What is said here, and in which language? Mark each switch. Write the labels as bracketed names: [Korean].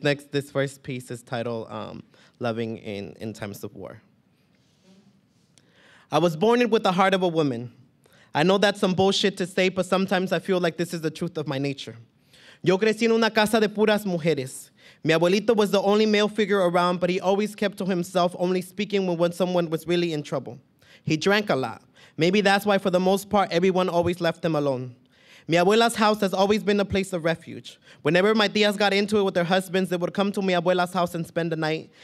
[English] This first piece is titled Loving in Times of War. I was born in with the heart of a woman. I know that's some bullshit to say, but sometimes I feel like this is the truth of my nature. [Spanish] Yo crecí en una casa de puras mujeres. [English] Mi abuelito was the only male figure around, but he always kept to himself, only speaking when someone was really in trouble. He drank a lot. Maybe that's why, for the most part, everyone always left him alone. Mi abuela's house has always been a place of refuge. Whenever my tías got into it with their husbands, they would come to mi abuela's house and spend the night.